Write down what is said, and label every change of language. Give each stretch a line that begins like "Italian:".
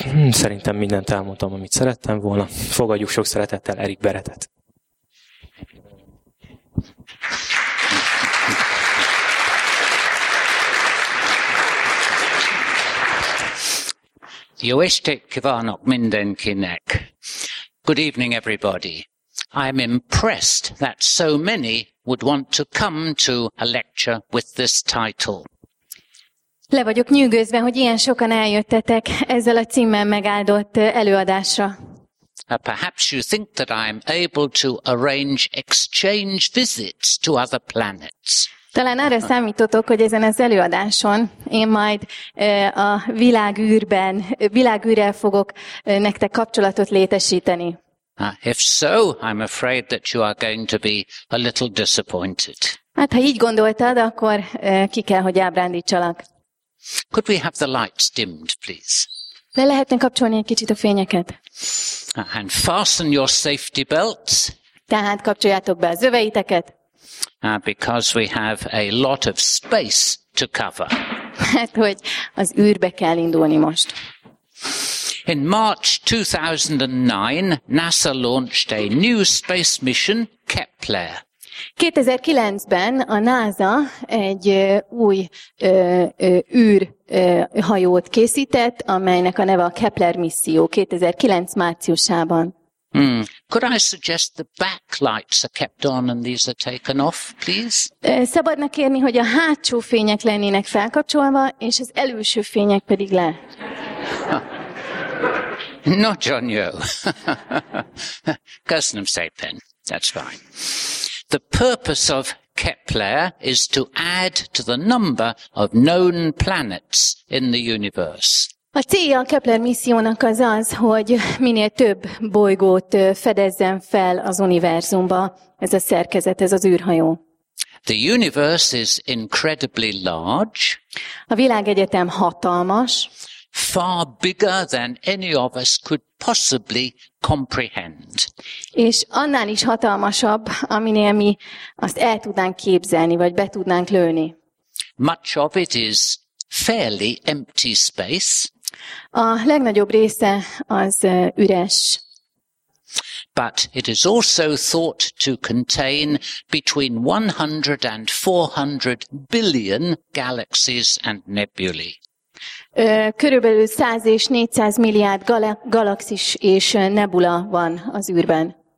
Hungarian: Szerintem mindent elmondtam, amit szerettem volna. Fogadjuk sok szeretettel Erik Berettet. Jó estét kívánok mindenkinek.
English: Good evening, everybody. I'm impressed that so many would want to come to a lecture with this title.
Hungarian: Le vagyok nyűgözve, hogy ilyen sokan eljöttetek ezzel a címmel megáldott előadásra.
English: Perhaps you think that I'm able to arrange exchange visits to other planets.
Hungarian: Talán arra számítotok, hogy ezen az előadáson én majd a világűrben, világűrrel fogok nektek kapcsolatot létesíteni.
English: If so, I'm afraid that you are going to be a little disappointed.
Hungarian: Hát, ha így gondoltad, akkor ki kell, hogy ábrándítsalak.
English: Could we have the lights dimmed, please?
Hungarian: Le lehetne kapcsolni egy kicsit a fényeket?
English: And fasten your safety belts.
Hungarian: Tehát kapcsoljátok be az öveiteket.
English: Because we have a lot of space to cover.
Hungarian: Hát, hogy az űrbe kell indulni most.
English: In March 2009, NASA launched a new space mission, Kepler.
Hungarian: 2009-ben a NASA egy új űrhajót készített, amelynek a neve a Kepler misszió, 2009 márciusában.
English: Could I suggest the backlights are kept on and these are taken off, please?
Hungarian: Szabadna kérni, hogy a hátsó fények lennének felkapcsolva, és az előső fények pedig le.
English: Not John Yeo.
Hungarian: Köszönöm szépen.
English: That's fine. The purpose of Kepler is to add to the number of known planets in the universe.
Hungarian: A célja a Kepler missziónak az az, hogy minél több bolygót fedezzen fel az univerzumba ez a szerkezet, ez az űrhajó.
English: The universe is incredibly large.
Hungarian: A világegyetem hatalmas.
English: Far bigger than any of us could possibly comprehend.
Hungarian: És annál is hatalmasabb, aminél mi azt el tudnánk képzelni, vagy be tudnánk lőni.
English: Much of it is fairly empty space.
Hungarian: A legnagyobb része az üres.
English: But it is also thought to contain between 100 and 400 billion galaxies and nebulae.
Hungarian: Körülbelül 100 és 400 milliárd galaxis és nebula van az űrben.